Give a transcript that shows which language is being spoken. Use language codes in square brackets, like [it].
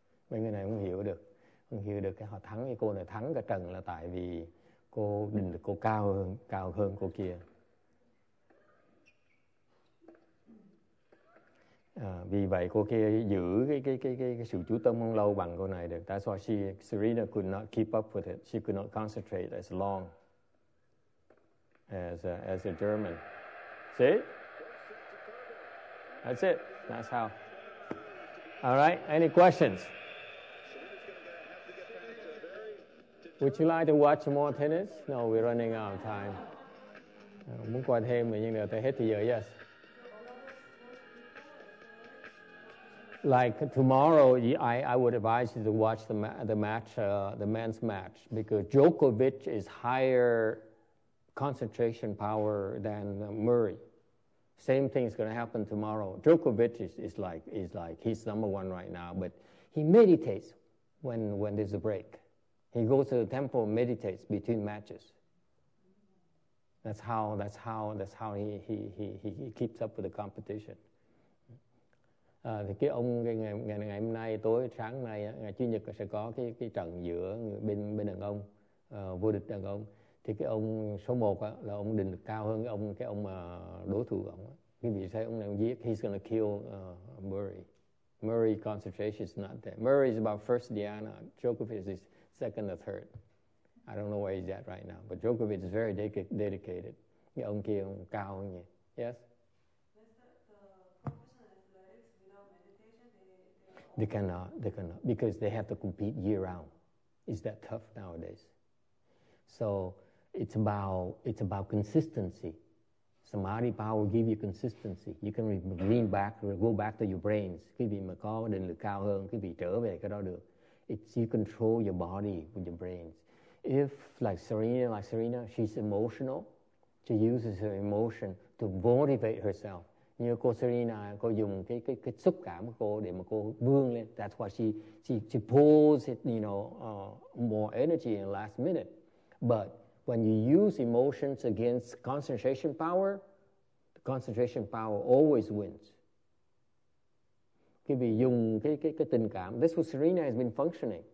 [vi] Mấy người này không hiểu được. Không hiểu được cái họ thắng với cô này. Thắng cả trận là tại vì cô định được cô cao hơn cô kia. À, vì vậy cô kia giữ cái sự chú tâm không lâu bằng cô này được. [en] That's why Serena could not keep up with it. She could not concentrate as long as a German. See? That's it. That's how. All right. Any questions? Would you like to watch more tennis? No, we're running out of time. [vi] Muốn coi thêm nhưng mà hết thì giờ. [en] Yes. Like tomorrow, I would advise you to watch the men's match, because Djokovic is higher concentration power than Murray. Same thing is going to happen tomorrow. Djokovic is like he's number one right now, but he meditates when there's a break. He goes to the temple, meditates between matches. That's how he keeps up with the competition. [vi] Thì cái ông ngày hôm nay tối sáng nay ngày Chủ nhật sẽ có cái trận giữa bên đàn ông vô địch đàn ông. Thì cái ông số 1 là ông định cao hơn cái ông mà đối thủ ông. Cái vị thế ông này ông giết. [en] He's gonna kill Murray. Murray's concentration is not there. Murray is about first Diana. Djokovic is second or third. I don't know where he's at right now, but Djokovic is very dedicated. [vi] Cái ông kia ông cao hơn vậy. [en] Yes? They cannot, because they have to compete year-round. Is that tough nowadays? So it's about consistency. Samadhi power will give you consistency. You can lean back, go back to your brains. [vi] Quý vị mà có định lực cao hơn, quý vị trở về cái đó được. [en] It's you control your body with your brains. If like Serena, she's emotional, she uses her emotion to motivate herself. [vi] Như cô Serena, cô dùng cái xúc cảm của cô để mà cô vươn lên. [en] That's why she pulls it, you know, more energy in the last minute. But when you use emotions against concentration power, the concentration power always wins. [vi] Khi bị dùng cái tình cảm, [en] this is what Serena has been functioning.